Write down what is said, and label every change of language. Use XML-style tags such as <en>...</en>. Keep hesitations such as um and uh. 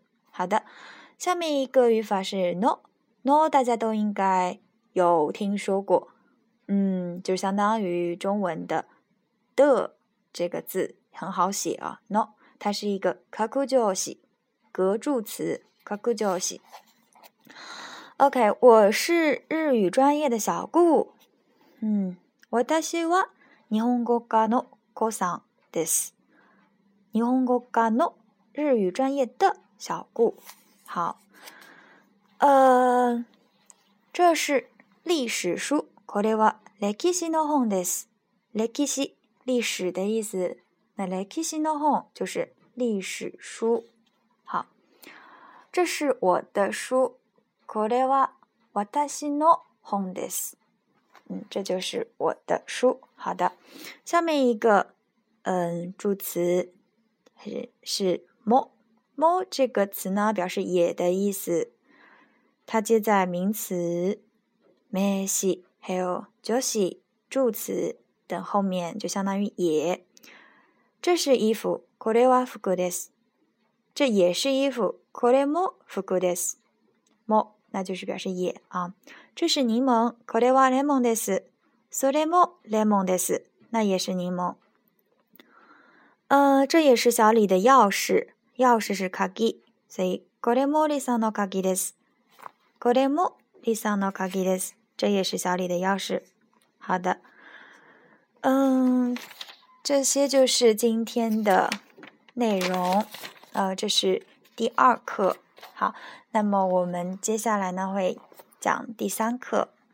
<zh>好的下面一个语法是 no no 大家都应该有听说过嗯就相当于中文的的这个字很好写啊 no 它是一个かくじょ格助词，かくじょ OK，我是日语专业的小顾，嗯，</zh> <ja>私は日本語科のこさんです。</ja> <zh>日本語科の日语专业的小顾，好。呃，这是历史书，</zh> <ja>これは歴史の本です。</ja> <zh>歴史，历史的意思。歴史の本就是历史书，好，这是我的书</zh> <ja>これは私の本です。</ja> <zh>嗯，这就是我的书。好的，下面一个嗯助词是是 m o 这个词呢，表示也的意思，它接在名词、梅西还有 josey 助词等后面，就相当于也。这是衣服，</zh> <ja>これは服です。</ja> <zh>这也是衣服，</zh> <ja>これも服です。</ja> <zh>も，那就是表示也啊。这是柠檬，</zh> <ja>これはレモンです。それもレモンです，</ja> <zh>那也是柠檬。呃、嗯，这也是小李的钥匙，钥匙是鍵，所以</zh> <ja>これもリサの鍵です。これもリサの鍵です，这也是小李的钥匙。</ja> <zh>好的，嗯。这些就是今天的内容，呃，这是第二课，好，那么我们接下来呢会讲第三课。</zh>